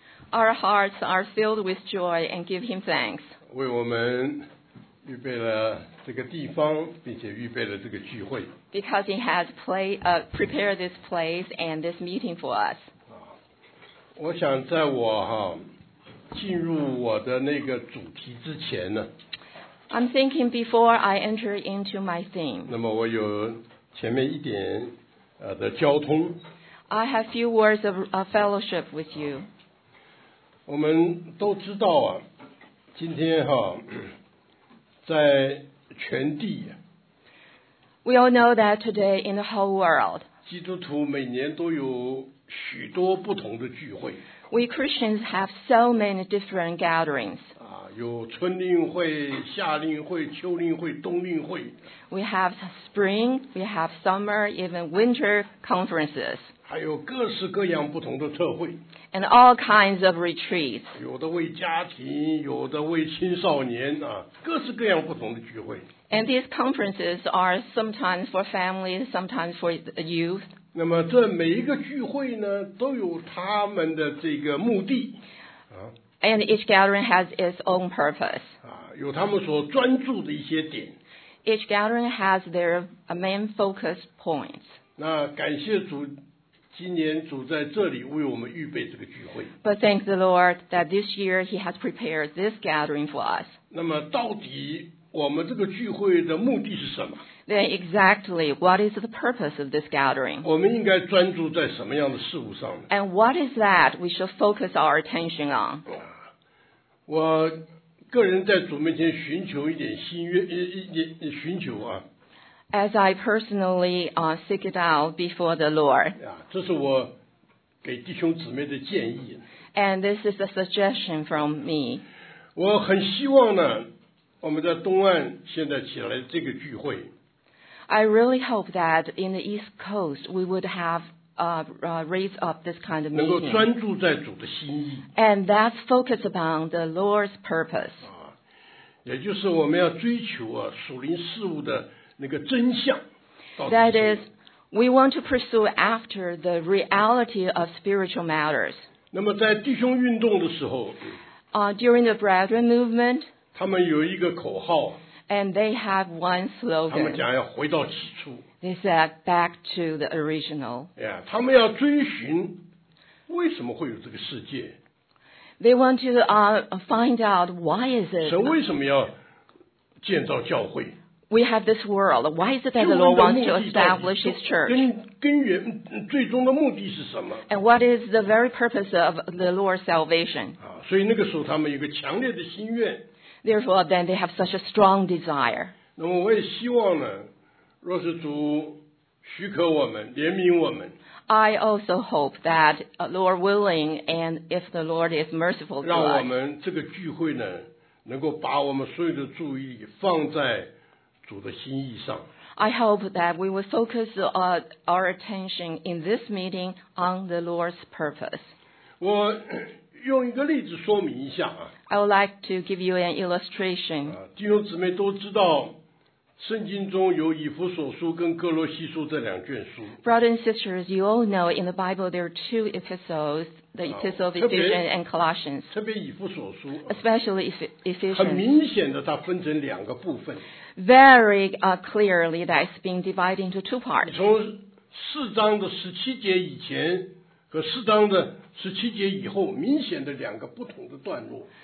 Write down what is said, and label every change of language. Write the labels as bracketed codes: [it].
[en] Our hearts are filled with joy and give him thanks. [zh] 为我们预备了这个地方，并且预备了这个聚会。 [en] Because he has prepared this place and this meeting for us. [zh] 我想在我进入我的那个主题之前呢。 [en] I'm thinking before I enter into my theme. [zh] 那么我有前面一点的交通。 [en] I have a few words of fellowship with you. [zh] 我们都知道啊，今天哈，在全地。 [en] We all know that today in the whole world. [zh] 基督徒每年都有许多不同的聚会。 [en] We Christians have so many different gatherings. [zh] 有春令会、夏令会、秋令会、冬令会。 [en] We have spring, we have summer, even winter conferences. [zh] 还有各式各样不同的特会。 [en] And all kinds of retreats. [zh] 有的为家庭，有的为青少年啊，各式各样不同的聚会。 [en] And these conferences are sometimes for families, sometimes for youth. [zh] 那么这每一个聚会呢，都有他们的这个目的。 [en] And each gathering has its own purpose. [zh] 有他们所专注的一些点。 [en] Each gathering has their main focus points. [zh] 那感谢主，今年主在这里为我们预备这个聚会。 [en] But thank the Lord that this year He has prepared this gathering for us. [zh] 那么到底我们这个聚会的目的是什么？ [en] Then exactly what is the purpose of this gathering? [zh] 我们应该专注在什么样的事物上？ [en] And what is that we should focus our attention on? [zh] 我个人在主面前寻求一点心愿，寻求啊。 [en] As I personally seek it out before the Lord. [zh] 这是我给弟兄姊妹的建议。 [en] And this is a suggestion from me. [zh] 我很希望呢，我们在东岸现在起来这个聚会。 [en] I really hope that in the East Coast we would have raised up this kind of meeting. [zh] 能够专注在主的心意。 [en] And that's focused upon the Lord's purpose. [zh] 也就是我们要追求啊属灵事物的那个真相。 [en] That is, we want to pursue after the reality of spiritual matters. [zh] 那么在弟兄运动的时候。 [en] During the Brethren movement. [zh] 他们有一个口号。 [en] And they have one slogan. [zh] 他们讲要回到起初。 [en] They said back to the original. [zh] Yeah, 他们要追寻为什么会有这个世界。 [en] They want to find out why is it. [zh] 神为什么要建造教会。 [en] We have this world. Why is it that the Lord wants to establish his church? [zh] 根源最终的目的是什么。 [en] And what is the very purpose of the Lord's salvation? [zh] 所以那个时候他们有个强烈的心愿。 [en] Therefore, then they have such a strong desire. [zh] 那么我也希望呢，若是主许可我们，怜悯我们。 [en] I also hope that, Lord willing, and if the Lord is merciful to us. [zh] 让我们这个聚会呢，能够把我们所有的注意力放在主的心意上。 [en] I hope that we will focus our attention in this meeting on the Lord's purpose. [zh] 我用一个例子说明一下啊。 [en] I would like to give you an illustration. [zh] 弟兄姊妹都知道，圣经中有以弗所书跟哥罗西书这两卷书。 [en] Brothers and sisters, you all know in the Bible there are two epistles, the Epistle of Ephesians and Colossians. [zh] 特别以弗所书。 [en] Especially Ephesians. [zh] 很明显的，它分成两个部分。 [en] Very clearly, that it's been divided into two parts. [zh] 从四章的十七节以前和四章的十七节以后，明显的两个不同的段落。